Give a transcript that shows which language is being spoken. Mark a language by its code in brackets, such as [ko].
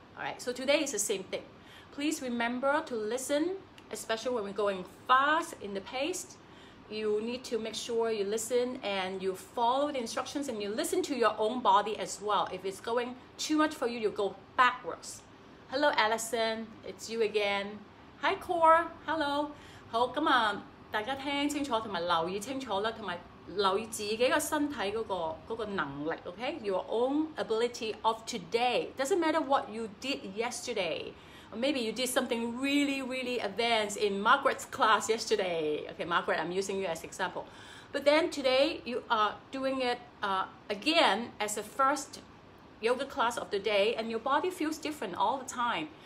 [en] All right, so today is the same thing. Please remember to listenEspecially when we're going fast in the pace, you need to make sure you listen and you follow the instructions and you listen to your own body as well. If it's going too much for you, you go backwards. Hello, Allison, it's you again. Hi, Core, hello. [yue] 好，咁啊，大家聽清楚同埋留意清楚啦，同埋留意自己個身體嗰個能力 ，okay? [en] Your own ability of today. Doesn't matter what you did yesterday. Or maybe you did something really, really advanced in Margaret's class yesterday. Okay, Margaret, I'm using you as example. But then today you are doing it again as the first yoga class of the day and your body feels different all the time.